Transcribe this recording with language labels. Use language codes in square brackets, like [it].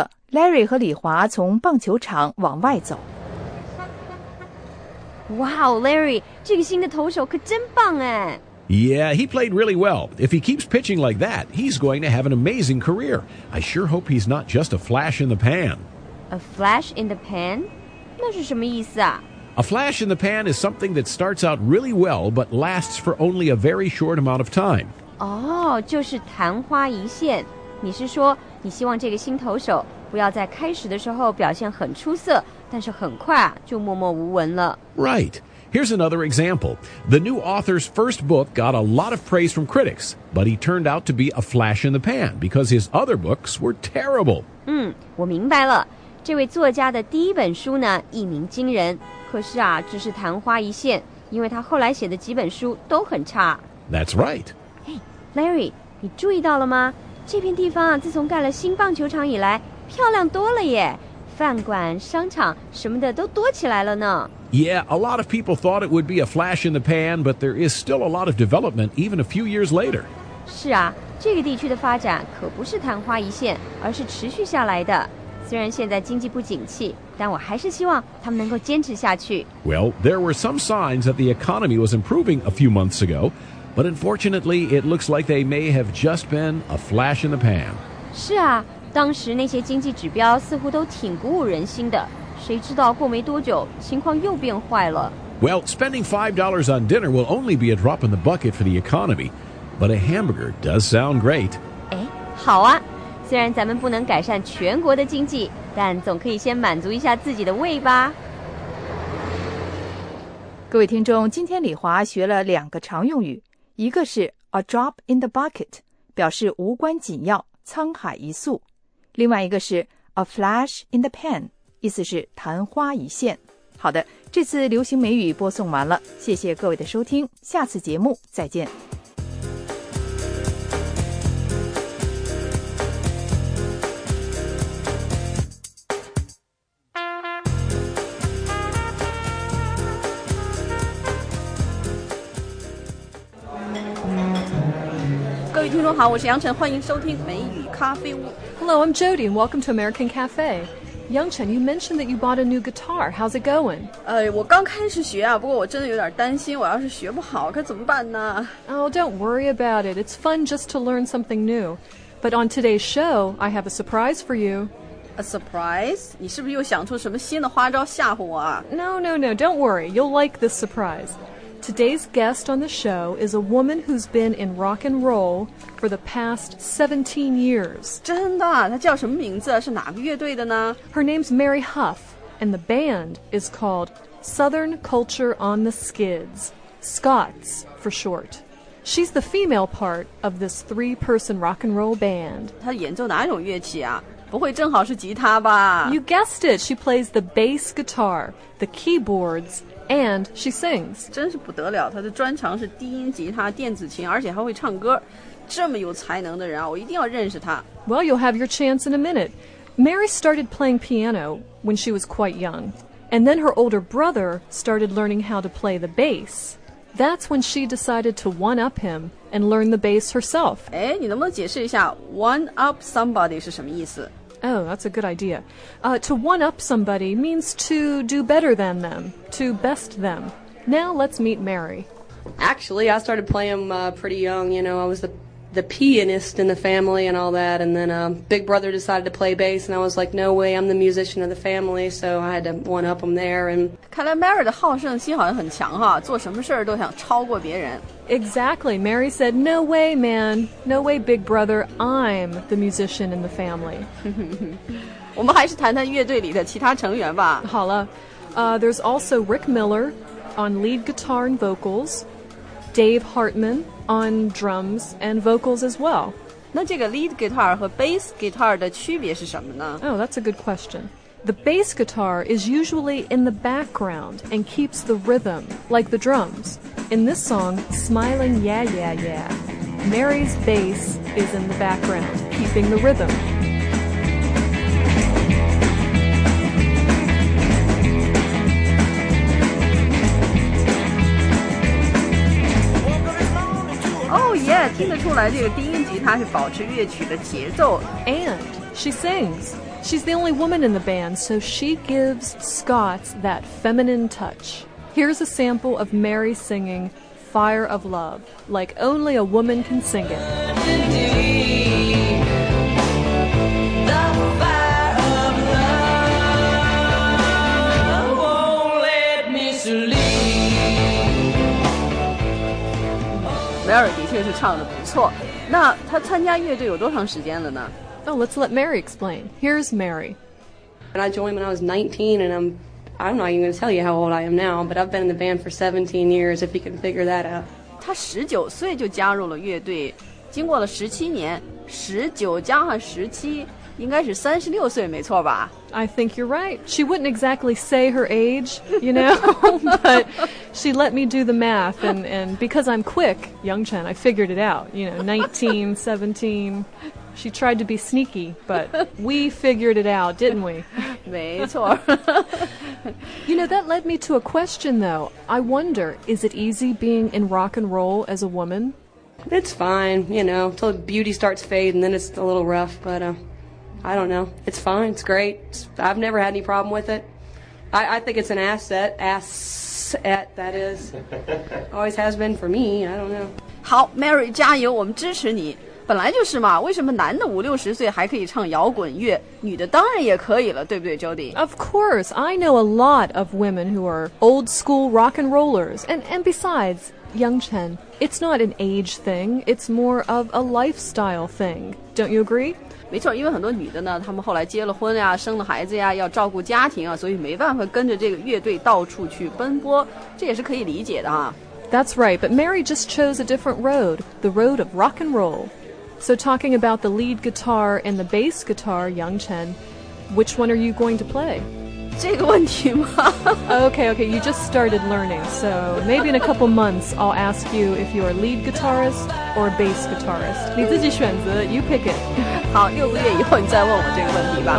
[zh] Larry 和李华从棒球场往外走。 Wow, Larry, 这个新的投手可真棒哎。 [en] Yeah, he played really well. If he keeps pitching like that, he's going to have an amazing career. I sure hope he's not just a flash in the pan. A flash in the pan? [zh] 那是什么意思啊? [en] A flash in the pan is something that starts out really well, but lasts for only a very short amount of time. [zh] Oh, 就是昙花一现。你是说你希望这个新投手不要在开始的时候表现很出色，但是很快就默默无闻了。 [en] Right. Here's another example. The new author's first book got a lot of praise from critics, but he turned out to be a flash in the pan because his other books were terrible. [zh] 嗯，我明白了。这位作家的第一本书呢，一鸣惊人，可是啊，只是昙花一现，因为他后来写的几本书都很差。 [en] That's right. [zh] Hey, Larry, 你注意到了吗？这片地方啊，自从盖了新棒球场以来，漂亮多了耶，饭馆、商场什么的都多起来了呢。 [en] Yeah, a lot of people thought it would be a flash in the pan, but there is still a lot of development even a few years later. [zh] 是啊，这个地区的发展可不是昙花一现，而是持续下来的。虽然现在经济不景气，但我还是希望他们能够坚持下去。 [en] Well, there were some signs that the economy was improving a few months ago, but unfortunately, it looks like they may have just been a flash in the pan. [zh] 是啊，当时那些经济指标似乎都挺鼓舞人心的，谁知道过没多久，情况又变坏了。 [en] Well, spending $5 on dinner will only be a drop in the bucket for the economy, but a hamburger does sound great. [zh] 哎，好啊，虽然咱们不能改善全国的经济，但总可以先满足一下自己的胃吧。各位听众，今天李华学了两个常用语，一个是 [en] a drop in the bucket, [zh] 表示无关紧要，沧海一粟。另外一个是 [en] a flash in the pan, [zh] 意思是昙花一现。好的，这次流行美语播送完了，谢谢各位的收听，下次节目再见。好，我是杨晨，欢迎收听美语咖啡屋。 [en] Hello, I'm Jody, and welcome to American Cafe. Yang Chen, you mentioned that you bought a new guitar. How's it going? [zh] 我刚开始学啊，不过我真的有点担心，我要是学不好该怎么办呢？ [en] Oh, don't worry about it. It's fun just to learn something new. But on today's show, I have a surprise for you. A surprise? [zh] 你是不是又想出什么新的花招吓唬我啊？ [en] No, don't worry. You'll like this surprise. Today's guest on the show is a woman who's been in rock and roll for the past 17 years. [zh] 真的？她叫什么名字？是哪个乐队的呢？ [en] Her name's Mary Huff, and the band is called Southern Culture on the Skids, Scots for short. She's the female part of this three-person rock and roll band. [zh] 她演奏哪种乐器啊？不会正好是吉他吧？ [en] You guessed it. She plays the bass guitar, the keyboards,And she sings. [zh] 真是不得了，她的专长是低音吉他、电子琴，而且还会唱歌。这么有才能的人啊，我一定要认识她。 [en] Well, you'll have your chance in a minute. Mary started playing piano when she was quite young. And then her older brother started learning how to play the bass. That's when she decided to one-up him and learn the bass herself. [zh] 哎，你能不能解释一下 [en] one-up somebody [zh] 是什么意思？ [en] Oh, that's a good idea. To one-up somebody means to do better than them, to best them. Now let's meet Mary. Actually, I started playing pretty young. You know, I was the pianist in the family and all that. And then big brother decided to play bass. And I was like, no way, I'm the musician of the family. So I had to one-up him there. And [zh] 看来 Mary 的好胜心好像很强哈，做什么事都想超过别人。 [en] Exactly. Mary said, no way, man. No way, big brother. I'm the musician in the family. [zh] 我们还是谈谈乐队里的其他成员吧。好了， [en] there's also Rick Miller on lead guitar and vocals, Dave Hartman on drums and vocals as well. [zh] 那这个 lead guitar 和 bass guitar 的区别是什么呢？ [en] Oh, that's a good question. The bass guitar is usually in the background and keeps the rhythm, like the drums, In this song, Smiling Yeah Yeah Yeah, Mary's bass is in the background, keeping the rhythm. Oh yeah, [zh] 听得出来这个低音吉他是保持乐曲的节奏。 [en] And she sings. She's the only woman in the band, so she gives Scots that feminine touch. Here's a sample of Mary singing Fire of Love, like only a woman can sing it. [zh] Mary 的确是唱得不错。那她参加乐队有多长时间了呢？ [en] Oh, let's let Mary explain. Here's Mary. And I joined when I was 19, and I'm not even going to tell you how old I am now, but I've been in the band for 17 years, if you can figure that out. [zh] 她19岁就加入了乐队，经过了17年，19加上17，应该是36岁，没错吧？ [en] I think you're right. She wouldn't exactly say her age, you know, but she let me do the math. And because I'm quick, Young Chen, I figured it out. You know, 19, 17. She tried to be sneaky, but we figured it out, didn't we? [zh] 没错。 [en] You know, that led me to a question, though. I wonder, is it easy being in rock and roll as a woman? It's fine, you know, until beauty starts fading, then it's a little rough, but... I don't know. It's fine. It's great. I've never had any problem with it. I think it's an asset. Asset, that is. Always has been for me. I don't know. [zh] 好 ,Mary, 加油，我们支持你。本来就是嘛，为什么男的五六十岁还可以唱摇滚乐，女的当然也可以了，对不对 ,Jody? [en] Of course. I know a lot of women who are old school rock and rollers. And besides, Young Chen, it's not an age thing. It's more of a lifestyle thing. Don't you agree? [zh] 没错，因为很多女的呢，她们后来结了婚呀，生了孩子呀，要照顾家庭啊，所以没办法跟着这个乐队到处去奔波，这也是可以理解的啊。 [en] That's right, but Mary just chose a different road, the road of rock and roll. So talking about the lead guitar and the bass guitar, Young Chen, which one are you going to play? [zh] 这个问题吗 [en] okay, you just started learning, so maybe in a couple months, I'll ask you if you're a lead guitarist or a bass guitarist. [zh] 你自己选择 [en] you pick it. [zh] 好，六个月以后你再问我这个问题吧。